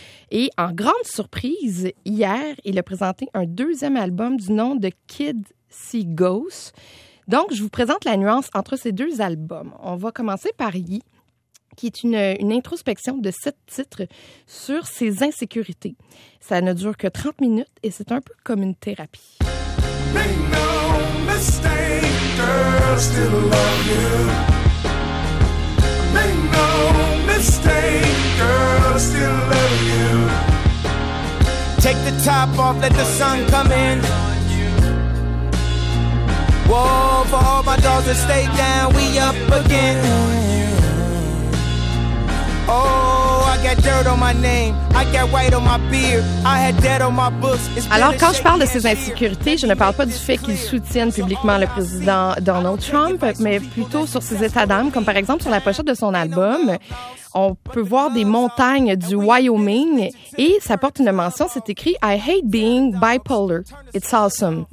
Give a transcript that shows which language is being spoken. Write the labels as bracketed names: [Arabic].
[French] Et en grande surprise, hier, il a présenté un 2e album du nom de Kid See Ghost. Donc, je vous présente la nuance entre ces deux albums. On va commencer par Yee, qui est une introspection de 7 titres sur ses insécurités. Ça ne dure que 30 minutes et c'est un peu comme une thérapie. [English] Make no mistake, girl, still love you. Make no mistake, girl, still love you. Take the top off, let the sun come in. Whoa, for all my dogs that stay down, we up again. Oh, I got dirt on my name, I got white on my beard, I had debt on my books. [French] Alors, quand je parle de ses insécurités, je ne parle pas du fait qu'il soutienne publiquement le président Donald Trump, mais plutôt sur ses états d'âme, comme par exemple sur la pochette de son album. On peut voir des montagnes du Wyoming et ça porte une mention, c'est écrit « [English] I hate being bipolar, it's awesome ».